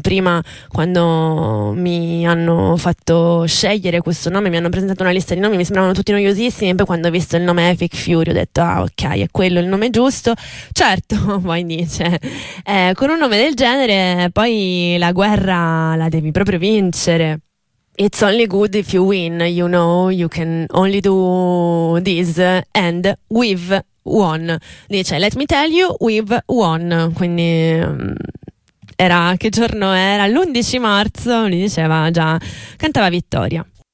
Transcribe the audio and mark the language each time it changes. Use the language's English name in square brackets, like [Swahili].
[Italian] Prima, quando mi hanno fatto scegliere questo nome, mi hanno presentato una lista di nomi, mi sembravano tutti noiosissimi, e poi quando ho visto il nome Epic Fury ho detto ah ok, è quello il nome giusto. Certo, poi dice con un nome del genere poi la guerra la devi proprio vincere. [English] It's only good if you win, you know, you can only do this and we've won. [Italian] Dice, [English] let me tell you, we've won. [Italian] Quindi era, che giorno era? L'11 marzo, gli diceva già, cantava vittoria.